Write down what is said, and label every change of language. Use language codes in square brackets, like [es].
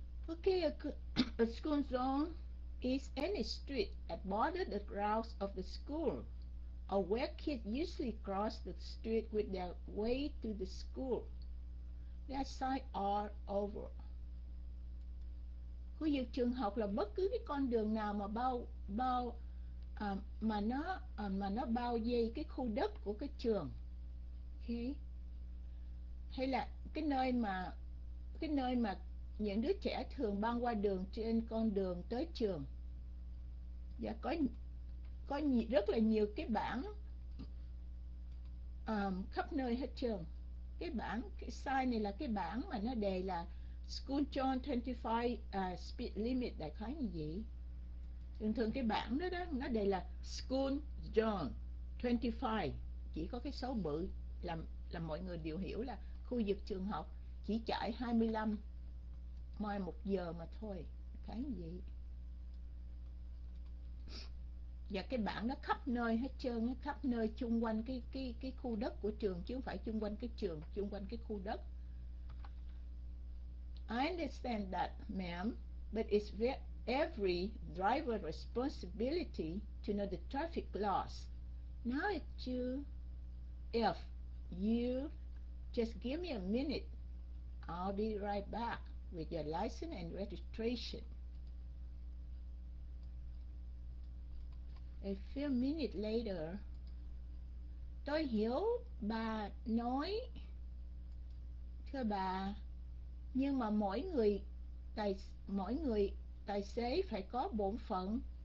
[en] Okay, a school zone is any street that borders the grounds of the school, or where kids usually cross the street with their way to the school. That side all over. [vi] Khu vực trường học là bất cứ cái con đường nào mà bao bao vây cái khu đất của cái trường. Okay. Hay là cái nơi mà những đứa trẻ thường băng qua đường trên con đường tới trường. Và có rất là nhiều cái bảng khắp nơi hết trường. Cái bảng, cái sign này là cái bảng mà nó đề là [en] school zone 25 speed limit, [vi] đại khái như vậy. Thường thường cái bảng đó nó đề là school zone 25, chỉ có cái số bự là mọi người đều hiểu là khu vực trường học chỉ chạy 25 mai một giờ mà thôi, đại khái như vậy. Và cái bảng nó khắp nơi hết trơn, nó khắp nơi chung quanh cái khu đất của trường, chứ không phải chung quanh cái trường, chung quanh cái khu đất. [en] I understand that, ma'am, but it's every driver's responsibility to know the traffic laws. Now it's you. If you just give me a minute, I'll be right back with your license and registration. A few minutes later, [vi] tôi hiểu bà nói, thưa bà, nhưng mà mỗi người tài xế phải có bổn phận.